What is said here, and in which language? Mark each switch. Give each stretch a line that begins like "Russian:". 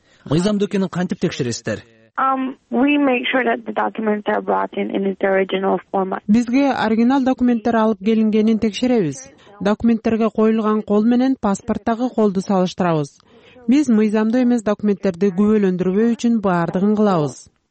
Kyrgyz: Мыйзамдуу экенин кантип текшересиздер?
English: We make sure that the documents are brought in their original format.
Kyrgyz: Бизге оригинал документтер алып келингенин текшеребиз. Документтерге коюлган кол менен паспорттагы колду салыштырабыз. Биз мыйзамдуу эмес документтерди күбөлөндүрбөө үчүн баардыгын кылабыз.